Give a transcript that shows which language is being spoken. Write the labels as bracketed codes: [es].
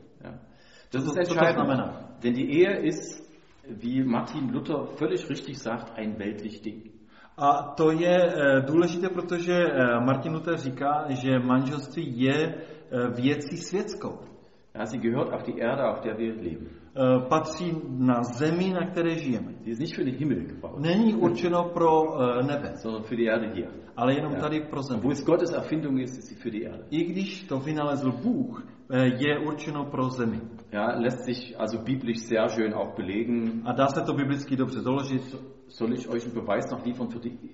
[de] Ja. Das ist entscheidend. Denn die Ehe ist, wie Martin Luther völlig richtig sagt, ein weltlich Ding. [cs] A to je důležité, protože Martin Luther říká, že manželství je věcí světskou. [de] Ja, sie gehört auf die Erde, auf der wir leben. [cs] Patří na zemi, na které žijeme. [de] Sie ist nicht für den Himmel gebaut. [cs] Není určeno pro nebe. [de] Sondern für die Erde hier. [cs] Ale jenom tady pro zemi. [de] Wo es Gottes Erfindung ist, ist sie für die Erde. [cs] I když to vynalezl Bůh, je určeno pro zemi. [de] Ja, lässt sich also biblisch sehr schön auch belegen. [cs] A dá se to biblicky dobře doložit. [de] Soll ich euch einen Beweis noch liefern für die...